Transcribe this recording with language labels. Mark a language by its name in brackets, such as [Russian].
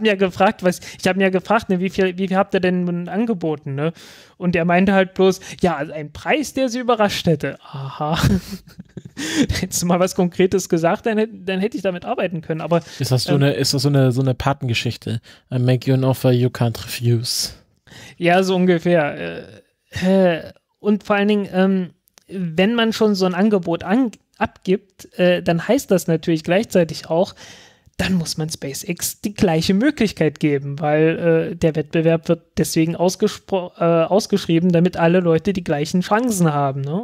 [German] ich habe ihn ja gefragt, ne, wie viel habt ihr denn angeboten, ne? Und er meinte halt bloß, ja, ein Preis, der sie überrascht hätte. Aha. Hättest du mal was Konkretes gesagt, dann hätte ich damit arbeiten können. Aber ist das so eine Patengeschichte? [English] I make you an offer you can't refuse. [German] Ja, so ungefähr. Und vor allen Dingen, wenn man schon so ein Angebot abgibt, dann heißt das natürlich gleichzeitig auch, dann muss man SpaceX die gleiche Möglichkeit geben, weil der Wettbewerb wird deswegen ausgeschrieben, damit alle Leute die gleichen Chancen haben. Ne?